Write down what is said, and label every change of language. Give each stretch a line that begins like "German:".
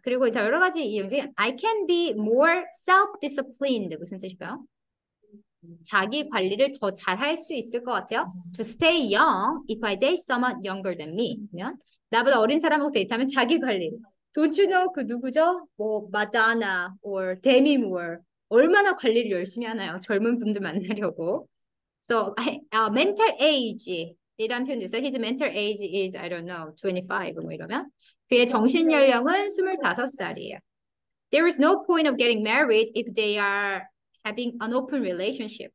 Korean: 그리고 여러 가지 이유 중에
English: I can be more self-disciplined.
Korean: 무슨 뜻일까요? 자기 관리를 더 잘할 수 있을 것 같아요.
English: To stay young, if I date someone younger than me.
Korean: 그러면 나보다 어린 사람하고 데이트하면 자기 관리.
English: Don't you know
Korean: 그 누구죠? 뭐 마다나 or 데미 무어. 얼마나 관리를 열심히 하나요? 젊은 분들 만나려고.
English: So, mental age. 이런 표현도 있어요. His mental age is, I don't know, 25.
Korean: 뭐 이러면. 그의 정신 연령은 25살이에요.
English: There is no point of getting married if they are having an open relationship.